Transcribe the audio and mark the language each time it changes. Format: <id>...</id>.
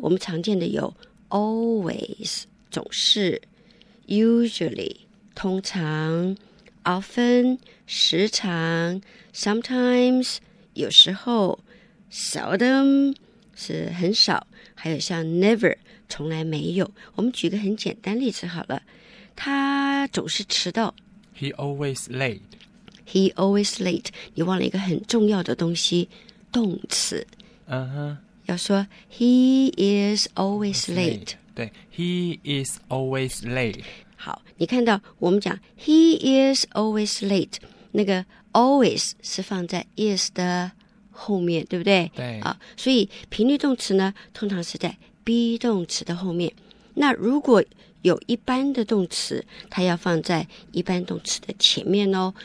<zh>我们常见的有 always 总是 usually 通常 often 时常 sometimes 有时候 seldom 是很少，还有像 never 从来没有。我们举个很简单例子好了，他总是迟到。</zh> <en>He always late. He always late.</en> <zh>你忘了一个很重要的东西，动词。要说</zh> <en>He is always late. 对 ，He is always late.</en> <zh>好，你看到我们讲</zh> <en>He is always late，</en> <zh>那个 always 是放在 is 的后面，对不对？对。啊，所以频率动词呢，通常是在 be 动词的后面。那如果有一般的动词，它要放在一般动词的前面哦。</zh>